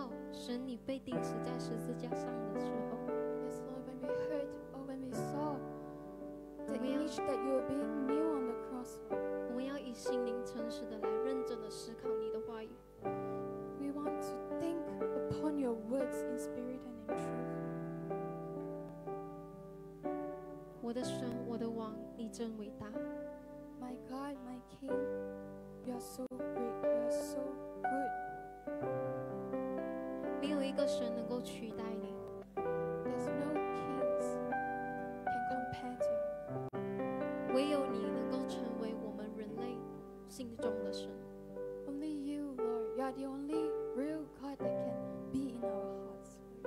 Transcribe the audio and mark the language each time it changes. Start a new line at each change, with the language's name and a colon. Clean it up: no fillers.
Chinese: 神，你被钉死在十字架上的时候。
English: Yes, Lord, when we heard or when we saw the image that you were being nailed on the cross,
Chinese: 我们要以心灵诚实的来认真的思考你的话语。
English: We want to think upon your words in spirit and in truth.
Chinese: 我的神，我的王，你真伟大。
English: My God, my King, you are so great, you are so good.
Chinese: 没有一个神能够取代你。
English: There's no kings can compare to you.
Chinese: 唯有你能够成为我们人类心中的神。
English: Only you, Lord, you are the only real God that can be in our hearts.